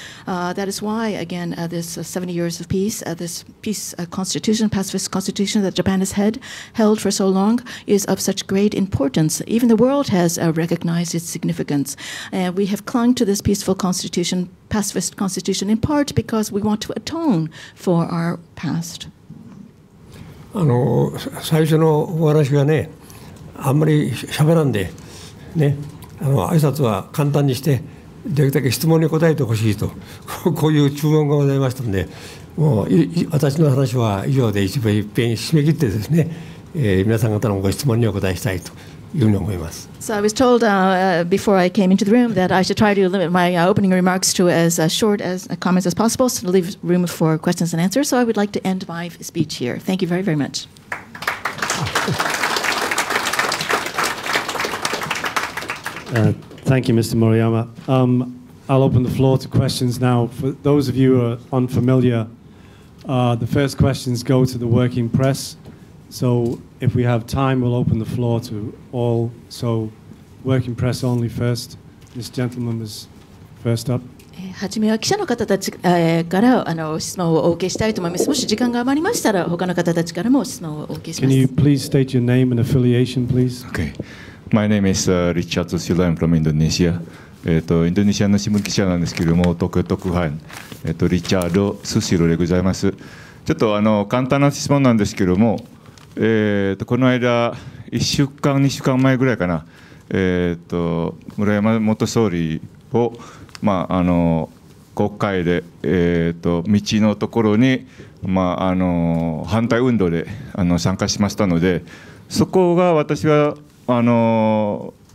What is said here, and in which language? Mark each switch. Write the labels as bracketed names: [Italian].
[English] That is why, again, this 70 years of peace, this peace constitution, pacifist constitution that Japan has held for so long is of such great importance. Even the world has recognized its significance. We have clung to this peaceful constitution, pacifist constitution, in part because we want to atone for our past. [Japanese] 最初のお話がね、あんまり喋らんで、ね、挨拶は簡単にして、できるだけ質問に答えてほしいと、こういう注文がございましたので、もう私の話は以上で一遍締め切ってですね、皆さん方のご質問にお答えしたいと。 [English] So I was told before I came into the room that I should try to limit my opening remarks to as short as comments as possible, so to leave room for questions and answers. So I would like to end my speech here. Thank you very, very much. Thank you, Mr. Murayama. I'll open the floor to questions now. For those of you who are unfamiliar, the first questions go to the working press. So if we have time, we'll open the floor to all. So working press only first. This gentleman was first up. [Japanese] はじめは記者の方たちから質問をお受けしたいと思います。もし時間が余りましたら、他の方たちからも質問をお受けします。 [English] Can you please state your name and affiliation, please? Okay. My name is Richard Sula. I'm from Indonesia. [Japanese] インドネシアの新聞記者なんですけれども、特派員、リチャード・スシロでございます。ちょっと簡単な質問なんですけれども、この間1週間2週間前ぐらいかな、村山元総理を、まあ、あの国会で、道のところに、まあ、あの反対運動であの参加しましたので、そこが私はあの